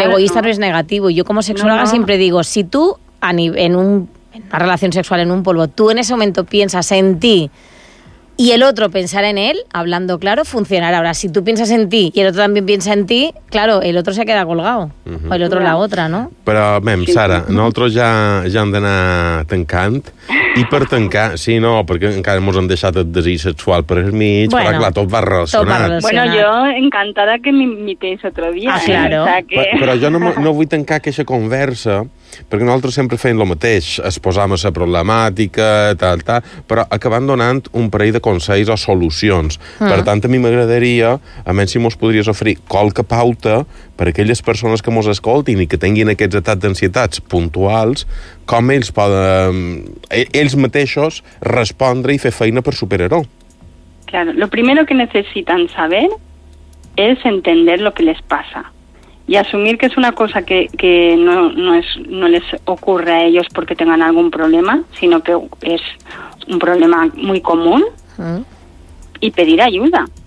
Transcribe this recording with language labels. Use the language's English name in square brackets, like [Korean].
[Spanish] ser egoísta no es negativo. Yo como sexóloga siempre digo, si tú en una relación sexual, en un polvo, tú en ese momento piensas en ti y el otro pensar en él, hablando claro, funcionará. Ahora, si tú piensas en ti y el otro también piensa en ti, claro, el otro se queda colgado. Uh-huh. O el otro uh-huh. la otra, ¿no? [Catalan] Però, mem, Sara, nosaltres ja hem d'anar tancant i per tancar, sí, no, perquè encara mos han deixat el desig sexual per el mig, bueno, però clar, tot va relacionat. Bueno, jo encantada que m'imitéis otro dia. [Spanish] Ah, sí, claro. O sea que... [Catalan] Però jo no vull tancar aquesta conversa perquè nosaltres sempre feim el mateix, es posam a la problemàtica, tal, però acabant donant un parell de consells o solucions. Ah. Per tant, a mi m'agradaria, a més si mos podries oferir qualque pauta per a aquelles persones que mos escoltin i que tinguin aquests atacs d'ansietats puntuals, com ells poden, ells mateixos, respondre i fer feina per superar-ho. [Spanish] Claro, lo primero que necesitan saber es entender lo que les pasa. Y asumir que es una cosa que no les ocurre a ellos porque tengan algún problema, sino que es un problema muy común, y pedir ayuda.